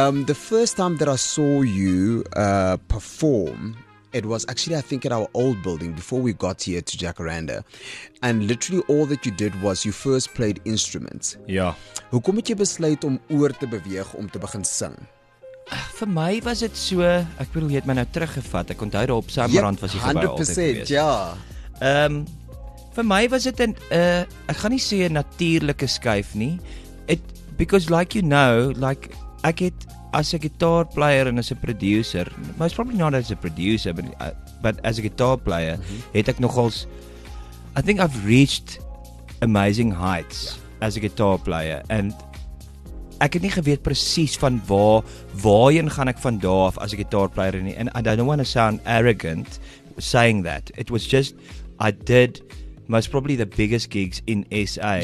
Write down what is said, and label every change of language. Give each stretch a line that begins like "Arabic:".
English: The first time that I saw you perform, it was actually, I think, at our old building before we got here to Jacaranda. And literally all that you did was you first played instruments. Yeah.
Afrikaans: Hoekom het jy besluit om oor te beweeg om te begin sing? Vir my was dit so, ek bedoel, jy het my nou teruggevat. Ek onthou daar op Samarand was jy gebou altyd. 100%, ja. Vir my was dit 'n ek gaan nie sê 'n natuurlike skuif nie.
English: Because like you know, like
Afrikaans: ek het as 'n
English: guitar player en as 'n producer, most probably not as a producer, but as a guitar player,
Afrikaans: het ek nogals,
English: I think I've reached amazing heights as a guitar player, and
Afrikaans: ek het nie geweet presies van waarheen gaan ek van daar af
English: as a guitar player nie, and I don't want to sound arrogant saying that, it was just, I did most probably the biggest gigs in SA.